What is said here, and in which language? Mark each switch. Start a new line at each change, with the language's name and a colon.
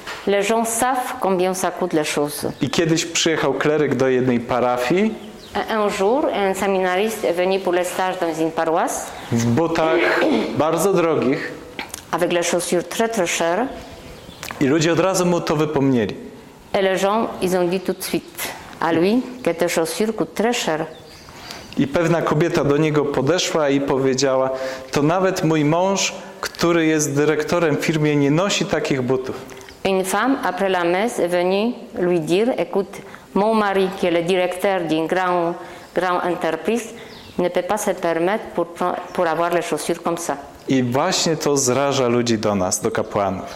French: Les gens savent combien ça coûte les choses.
Polish: I kiedyś przyjechał kleryk do jednej parafii.
French: Un jour, un séminariste est venu pour le stage dans une paroisse.
Polish: W butach bardzo drogich.
French: Avec les chaussures très très chères.
Polish: I ludzie od razu mu to wypomnieli.
French: Et les gens, ils ont dit tout de suite à lui que tes chaussures coûtent très cher.
Polish: I pewna kobieta do niego podeszła i powiedziała: to nawet mój mąż, który jest dyrektorem w firmie, nie nosi takich butów.
French: Une femme, après la messe, est venue lui dire: écoute, mon mari, qui est le directeur d'une grande entreprise, ne peut pas se permettre pour avoir les chaussures comme ça.
Polish: I właśnie to zraża ludzi do nas, do kapłanów.